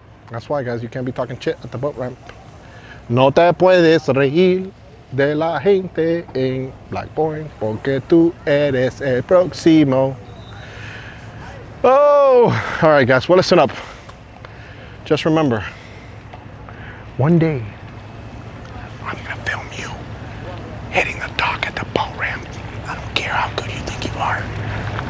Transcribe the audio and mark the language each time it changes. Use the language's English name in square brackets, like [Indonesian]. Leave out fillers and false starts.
[English] That's why, guys, you can't be talking shit at the boat ramp. [Spanish] No te puedes reír de la gente en Black Point, porque tú eres el próximo. [English] Oh, all right, guys, well, listen up. Just remember, one day, I'm gonna film you hitting the dock at the boat ramp. I don't care how good you think you are.